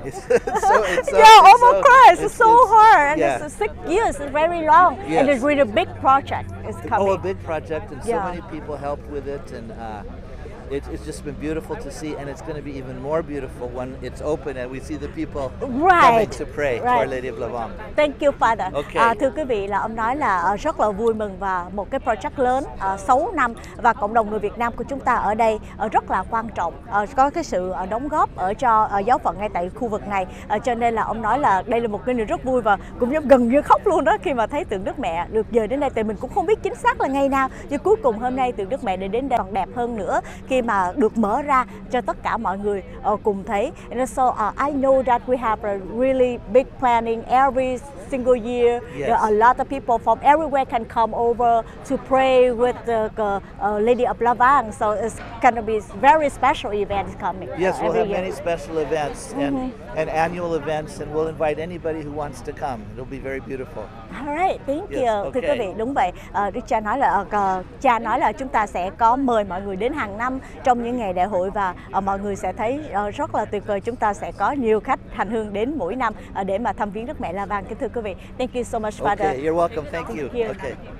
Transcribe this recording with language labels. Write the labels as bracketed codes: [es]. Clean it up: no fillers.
[en] It's so hard. And yeah. it's 6 years. It's very long. Yes. And it's really a big project. It's coming. Oh, a big project. And yeah. so many people helped with it. And it's just been beautiful to see. And it's going to be even more beautiful when it's open and we see the people right. coming to pray right. to Our Lady of Lavang. Thank you, Father. Okay. [vi] Thưa quý vị, là ông nói là rất là vui mừng và một cái project lớn 6 năm và cộng đồng người Việt Nam của chúng ta ở đây rất là quan trọng, có cái sự đóng góp ở cho giáo phận ngay tại khu vực này. Cho nên là ông nói là đây là một cái điều rất vui và cũng gần như khóc luôn đó khi mà thấy tượng Đức Mẹ được dời đến đây. Tại mình cũng không biết chính xác là ngày nào, nhưng cuối cùng hôm nay tượng Đức Mẹ để đến đây còn đẹp hơn nữa khi mà được mở ra cho tất cả mọi người cùng thấy. [en] And so I know that we have a really big planning every single year. Yes. A lot of people from everywhere can come over to pray with the Lady of Lavang. So it's going to be very special event coming. Yes, we'll have many year. Special events and, mm-hmm. and annual events, and we'll invite anybody who wants to come. It'll be very beautiful. All right, thank yes. you. Okay. [vi] Thưa quý vị, đúng vậy. Đức Cha nói là cha nói là chúng ta sẽ có mời mọi người đến hàng năm trong những ngày đại hội, và mọi người sẽ thấy rất là tuyệt vời. Chúng ta sẽ có nhiều khách hành hương đến mỗi năm để mà thăm viếng Đức Mẹ Lavang. Kính thưa quý vị, [en] thank you so much, Father. Okay, you're welcome. Thank you. Okay.